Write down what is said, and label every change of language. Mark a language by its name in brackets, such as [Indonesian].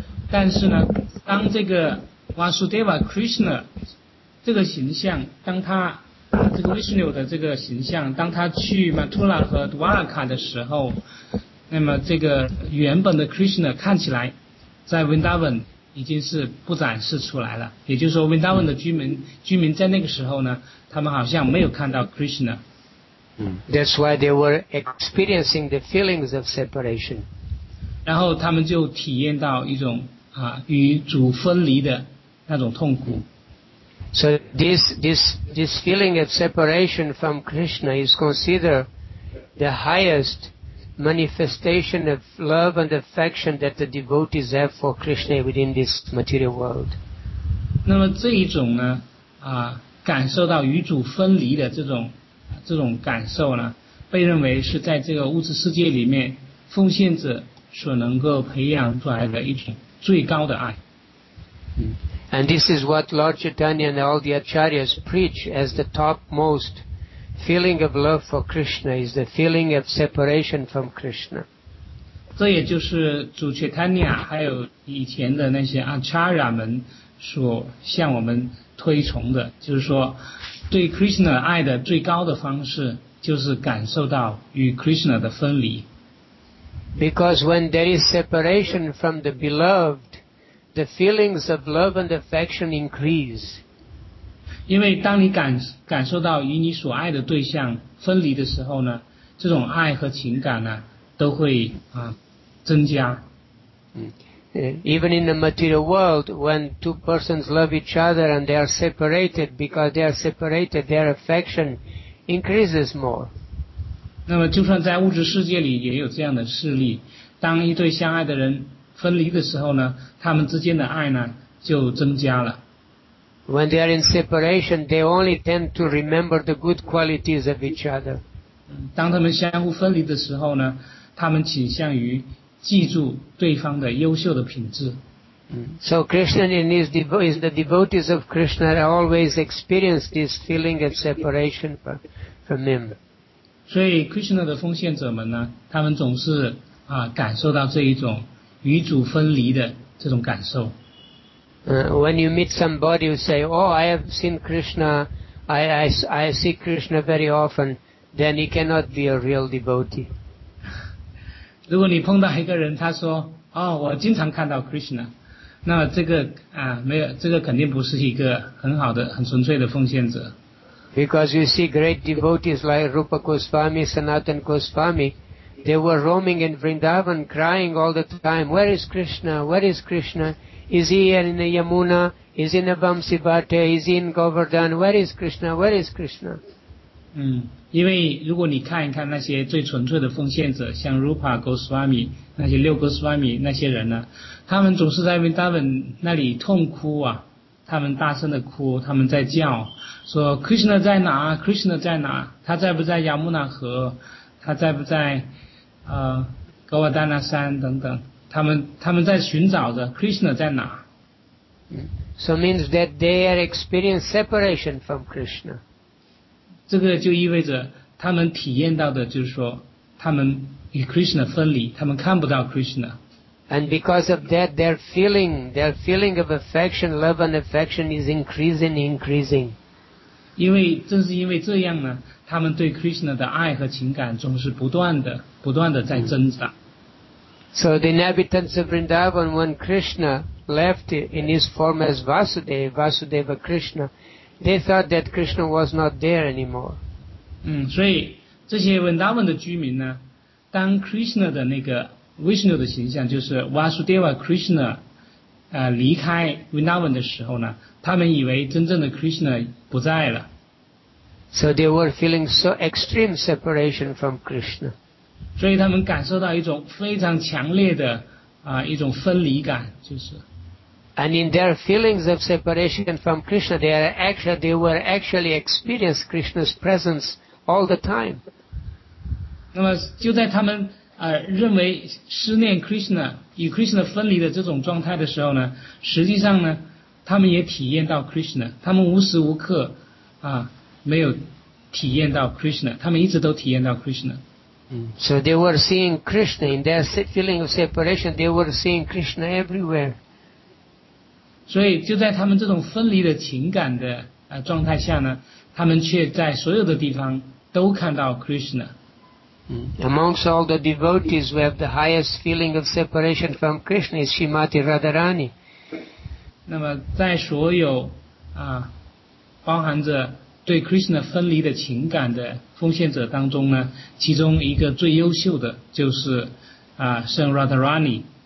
[Chinese] 但是呢，当这个 Vasudeva Krishna这个形象，当他这个 Vishnu 的这个形象，当他去 Mathura 和 Dwarka 的时候，那么这个原本的 Krishna 看起来在 Vrindavan 已经是不展示出来了，也就是说 Vrindavan 的居民在那个时候呢，他们好像没有看到 Krishna。 [English] That's why they were experiencing the feelings of separation. [Chinese] 然后他们就体验到一种与主分离的那种痛苦。 [English] So this feeling of separation from Krishna is considered the highest manifestation of love and affection that the devotees have for Krishna within this material world. [Chinese] 那么这一种呢，感受到与主分离的这种感受呢，被认为是在这个物质世界里面奉献者所能够培养出来的一种最高的爱。 [English] And this is what Lord Chaitanya and all the Acharyas preach as the topmost feeling of love for Krishna, is the feeling of separation from Krishna. [Chinese] 这也就是主 Chaitanya 还有以前的那些 Acharya 们所向我们推崇的，就是说对 Krishna 爱的最高的方式就是感受到与 Krishna 的分离。 [English] Because when there is separation from the beloved,the feelings of love and affection increase. [Chinese] 因为当你感受到与你所爱的对象分离的时候呢，这种爱和情感呢都会增加。 [English] Even in the material world, when two persons love each other and they are separated, because they are separated, their affection increases more. [Chinese] 那么就算在物质世界里也有这样的事例，当一对相爱的人分离的时候呢，他们之间的爱呢就增加了。 [English] When they are in separation, they only tend to remember the good qualities of each other. [Chinese] 当他们相互分离的时候呢，他们倾向于记住对方的优秀的品质。 [English] So Krishna and his devotees, the devotees of Krishna, always experience this feeling of separation from him. [Chinese] 所以 Krishna 的奉献者们呢，他们总是感受到这一种与主分离的这种感受。 [English] When you meet somebody, you say, "Oh, I have seen Krishna. I see Krishna very often." Then he cannot be a real devotee. [Chinese] 如果你碰到一个人，他说，哦，我经常看到 Krishna， 那么这个没有，这个肯定不是一个很好的、很纯粹的奉献者。 [English] Because you see great devotees like Rupa Goswami, Sanatan Goswami. They were roaming in Vrindavan, crying all the time, "Where is Krishna? Where is Krishna? Is he here in the Yamuna? Is he in the Vamsivate? Is he in Govardhan? Where is Krishna? Where is Krishna?" [Chinese] 因为如果你看一看那些最纯粹的奉献者，像 Rupa Goswami 那些六 Goswami 那些人呢，他们总是在 Vrindavan 那里痛哭啊，他们大声的哭，他们在叫，说 Krishna 在哪 ？Krishna 在哪？他在不在 Yamuna 河？他在不在格瓦丹纳山等等，他们在寻找着 Krishna 在哪。 [English] So means that they are experiencing separation from Krishna. [Chinese] 这个就意味着他们体验到的就是说他们与 Krishna 分离，他们看不到 Krishna。 [English] And because of that, their feeling of affection, love and affection is increasing, increasing. [Chinese] 因为正是因为这样呢，他们对 Krishna 的爱和情感总是不断的在增长。 [English] So the inhabitants of Vrindavan, when Krishna left in his form as Vasudeva Krishna, they thought that Krishna was not there anymore. [Chinese] 所以这些 Vrindavan 的居民呢，当 Krishna 的那个 Vishnu 的形象，就是 Vasudeva Krishna, 离开 Vrindavan 的时候呢，他们以为真正的 Krishna 不在了。 [English] So they were feeling so extreme separation from Krishna. [Chinese] 所以他们感受到一种非常强烈的一种分离感，就是。 [English] And in their feelings of separation from Krishna, they were actually experience Krishna's presence all the time. [Chinese] 那么就在他们认为思念 Krishna 与 Krishna 分离的这种状态的时候呢，实际上呢，他们也体验到 Krishna， 他们无时无刻没有体验到 Krishna， 他们一直都体验到 Krishna。 [English] So they were seeing Krishna in their feeling of separation. They were seeing Krishna everywhere. [Chinese] 所以就在他们这种分离的情感的状态下呢，他们却在所有的地方都看到 Krishna. [English] Amongst all the devotees who have the highest feeling of separation from Krishna is Srimati Radharani. [Chinese] 那么在所有包含着对 Krishna 分离的情感的奉献者当中呢，其中一个最优秀的就是圣 Radharani。